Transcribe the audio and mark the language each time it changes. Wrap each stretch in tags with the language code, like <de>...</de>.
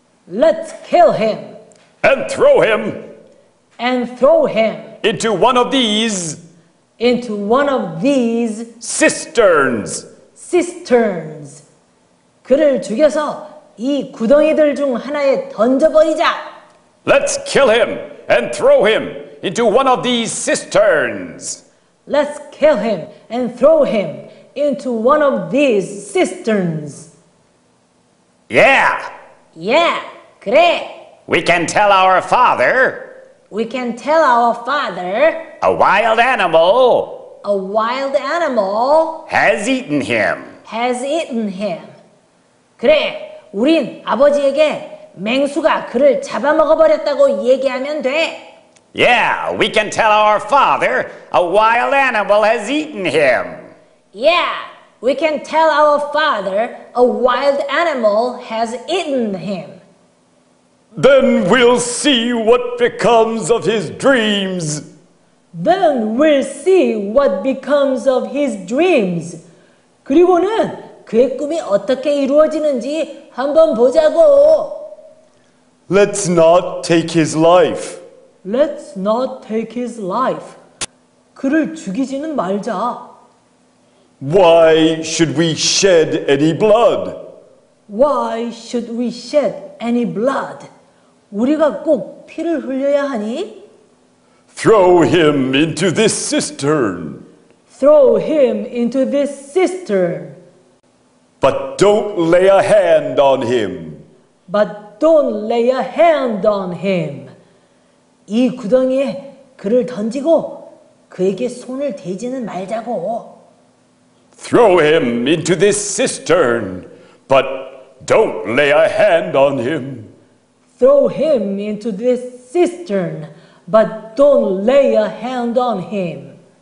<en>Let's kill him. And throw him. And throw him into one of these cisterns. Cisterns.</en> <ko>그를 죽여서 이 구덩이들 중 하나에 던져버리자.</ko> <en>Let's kill him and throw him into one of these cisterns. Let's kill him and throw him into one of these cisterns. Yeah. Yeah.</en> <ko>그래.</ko> <en>We can tell our father. We can tell our father. A wild animal. A wild animal. Has eaten him. Has eaten him.</en> <ko>그래, 우린 아버지에게 맹수가 그를 잡아먹어버렸다고 얘기하면 돼.</ko> <en>Yeah, we can tell our father a wild animal has eaten him. Yeah, we can tell our father a wild animal has eaten him. Then we'll see what becomes of his dreams. Then we'll see what becomes of his dreams.</en> <ko>그리고는 그의 꿈이 어떻게 이루어지는지 한번 보자고.</ko> <en>Let's not take his life. Let's not take his life.</en> <ko>그를 죽이지는 말자.</ko> <en>Why should we shed any blood? Why should we shed any blood?</en> <ko>우리가 꼭 피를 흘려야 하니?</ko> <en>Throw him into this cistern. Throw him into this cistern. But don't lay a hand on him. But don't lay a hand on him.</en> <ko>이 구덩이에 그를 던지고 그에게 손을 대지는 말자고.</ko> <en>Throw him into this cistern, but don't lay a hand on him. Throw him into this cistern, but don't lay a hand on him.</en>